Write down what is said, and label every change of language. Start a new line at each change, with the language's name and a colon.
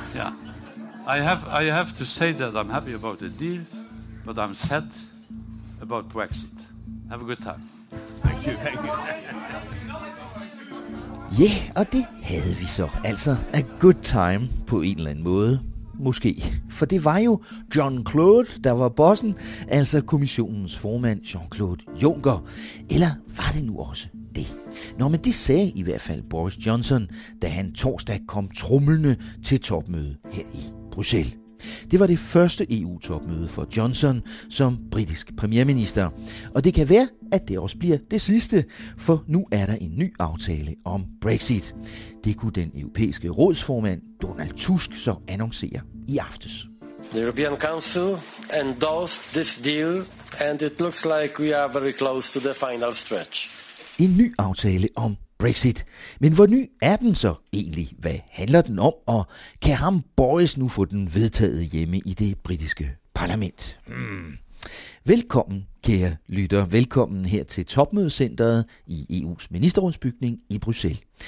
English: Yeah, I have to say that I'm happy about the deal, but I'm sad about Brexit. Have a good time. Thank you.
Danish: Ja, yeah, og det havde vi så, altså
English: a good time
Danish: på en eller anden måde, måske. For det var jo Jean-Claude, der var bossen, altså kommissionens formand Jean-Claude Juncker. Eller var det nu også det? Nå, men det sagde i hvert fald Boris Johnson, da han torsdag kom trumlende til topmøde her i Bruxelles. Det var det første EU-topmøde for Johnson som britisk premierminister. Og det kan være, at det også bliver det sidste, for nu er der en ny aftale om Brexit. Det kunne den europæiske rådsformand Donald Tusk så annoncere i aftes.
English: The European Council endorsed this deal, and it looks like we are very close to the final stretch.
Danish: En ny aftale om Brexit. Men hvor ny er den så egentlig? Hvad handler den om? Og kan ham Boris nu få den vedtaget hjemme i det britiske parlament? Velkommen, kære lytter. Velkommen her til topmødecenteret i EU's ministerrådsbygning i Bruxelles.